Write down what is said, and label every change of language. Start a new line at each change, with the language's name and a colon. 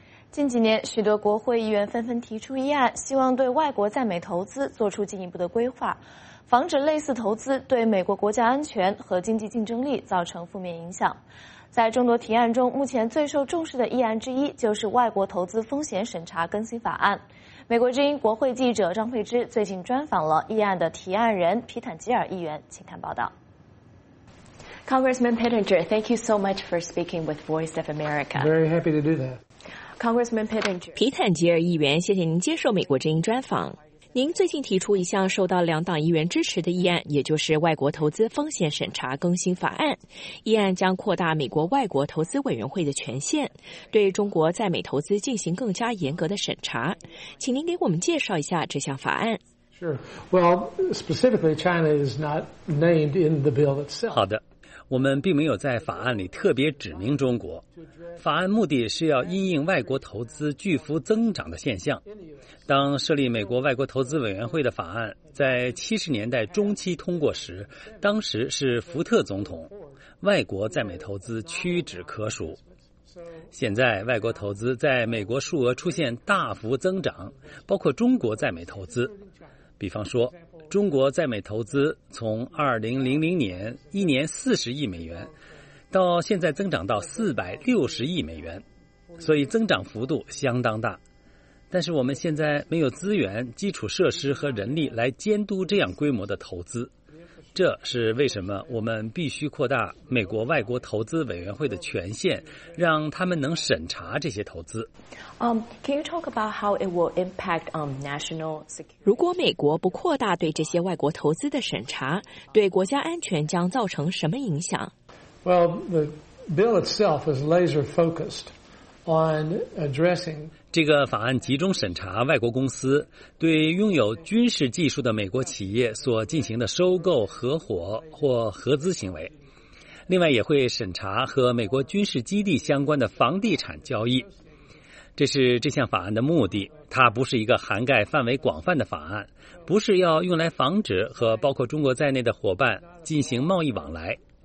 Chinese: 近几年，许多国会议员纷纷提出议案，希望对外国在美投资做出进一步的规划，防止类似投资对美国国家安全和经济竞争力造成负面影响。在众多提案中，目前最受重视的议案之一就是外国投资风险审查更新法案。美国之音国会记者张佩芝最近专访了议案的提案人皮坦吉尔议员，请看报道。
English: Congressman Pittenger, thank you so much for speaking with Voice of America. Very happy to do that. Congressman Pittenger,
Chinese: 皮坦吉尔议员，谢谢您接受美国之音专访。您最近提出一项受到两党议员支持的议案，也就是外国投资风险审查更新法案。议案将扩大美国外国投资委员会的权限，对中国在美投资进行更加严格的审查。请您给我们介绍一下这项法案。
English: Sure. Well, specifically, China is not named in the bill itself.
Chinese: 好的。我们并没有在法案里特别指明中国。法案目的是要因应外国投资巨幅增长的现象。当设立美国外国投资委员会的法案在70年代中期通过时，当时是福特总统，外国在美投资屈指可数。现在外国投资在美国数额出现大幅增长，包括中国在美投资。比方说，中国在美投资从2000年一年40亿美元到现在增长到460亿美元，所以增长幅度相当大。但是我们现在没有资源、基础设施和人力来监督这样规模的投资，这是为什么我们必须扩大美国外国投资委员会的权限，让他们能审查这些投资。
English: Can you talk about how it will impact national security?
Chinese: 如果美国不扩大对这些外国投资的审查，对国家安全将造成什么影响？
English: Well, the bill itself is laser focused on addressing.
Chinese: 这个法案集中审查外国公司对拥有军事技术的美国企业所进行的收购、合伙或合资行为，另外也会审查和美国军事基地相关的房地产交易。这是这项法案的目的，它不是一个涵盖范围广泛的法案，不是要用来防止和包括中国在内的伙伴进行贸易往来。